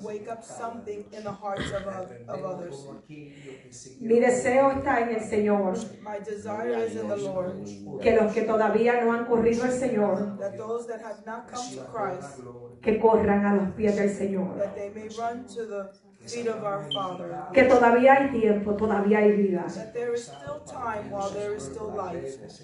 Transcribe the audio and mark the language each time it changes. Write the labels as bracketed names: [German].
[English] Wake up something in the hearts of others. [Spanish] Mi deseo está en el Señor. [English] My desire is in the Lord. [Spanish] Que los que todavía no han corrido al Señor, [English] that those that have not come to Christ, [Spanish] que corran a los pies del Señor. [English] That they may run to the feet of our Father. [Spanish] Que todavía hay tiempo, todavía hay vida. [English] That there is still time while there is still life.